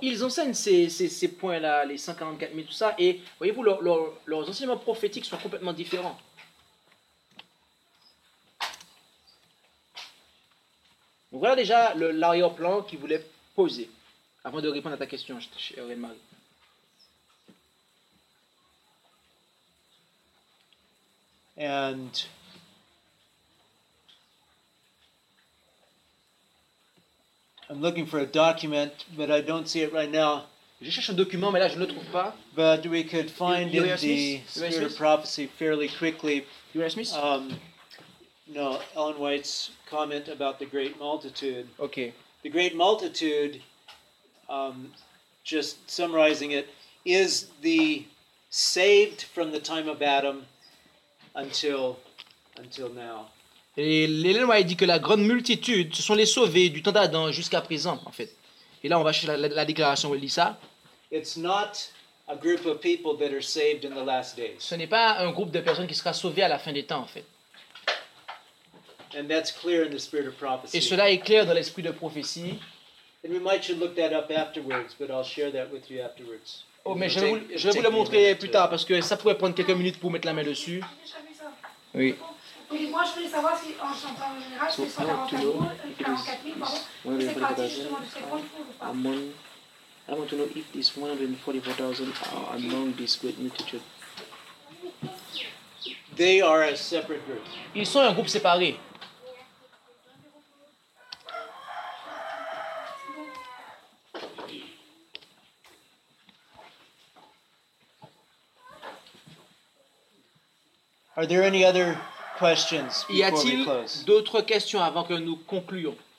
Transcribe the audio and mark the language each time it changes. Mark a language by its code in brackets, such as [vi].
[fr] Ils enseignent ces points-là, les 144 000, tout ça, et voyez-vous, leurs enseignements prophétiques sont complètement différents. Donc voilà déjà l'arrière-plan qu'ils voulaient poser, avant de répondre à ta question, Aurélie Marie. [en] And I'm looking for a document, but I don't see it right now. [fr] Je cherche un document, mais là je ne le trouve pas. [en] But we could find in the Spirit of Prophecy fairly quickly. You ask me? No, Ellen White's comment about the great multitude. Okay. The great multitude, just summarizing it, is the saved from the time of Adam. Until now. [fr] Et Ellen White dit que la grande multitude, ce sont les sauvés du temps d'Adam jusqu'à présent, en fait. Et là, on va chercher la déclaration où elle dit ça. [en] It's not a group of people that are saved in the last days. [fr] Ce n'est pas un groupe de personnes qui sera sauvé à la fin des temps, en fait. [en] And that's clear in the spirit of prophecy. [fr] Et cela est clair dans l'esprit de prophétie. [en] And we might should look that up afterwards, but I'll share that with you afterwards. [fr] Oh, mais je vais vous le montrer plus tard parce que ça pourrait prendre quelques minutes pour mettre la main dessus. Oui. Moi, je voulais savoir si en général, c'est 144 000, pardon, c'est parti justement de ces grands fonds ou pas. [en] I want to know if these 144,000 are among this great multitude. They are a separate group. [fr] Ils sont un groupe séparé. [en] Are there any other questions before we close? [fr] Y a-t-il d'autres questions avant que nous concluions?